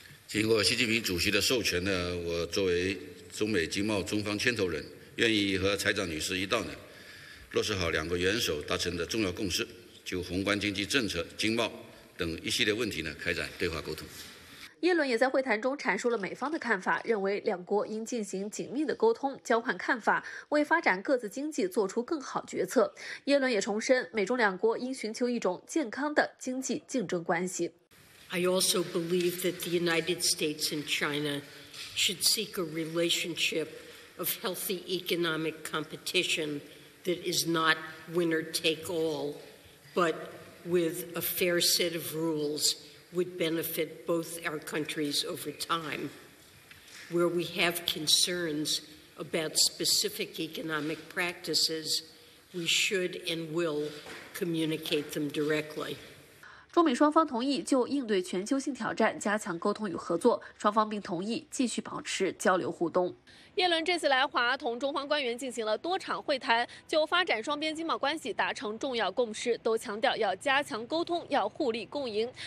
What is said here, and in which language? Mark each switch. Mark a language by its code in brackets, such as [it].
[zh] 经过习近平主席的授权呢，我作为中美经贸中方牵头人，愿意和财长女士一道呢，落实好两国元首达成的重要共识，就宏观经济政策、经贸等一系列问题呢，开展对话沟通。耶伦也在会谈中阐述了美方的看法，认为两国应进行紧密的沟通，交换看法，为发展各自经济做出更好决策。耶伦也重申，美中两国应寻求一种健康的经济竞争关系。 [en] I also believe that the United States and China should seek a relationship. Of healthy economic competition that is not winner take all, but with a fair set of rules would benefit both our countries over time. Where we have concerns about specific economic practices, we should and will communicate them directly. [zh] 中美双方同意就应对全球性挑战加强沟通与合作，双方并同意继续保持交流互动。耶伦这次来华同中方官员进行了多场会谈，就发展双边经贸关系达成重要共识，都强调要加强沟通，要互利共赢。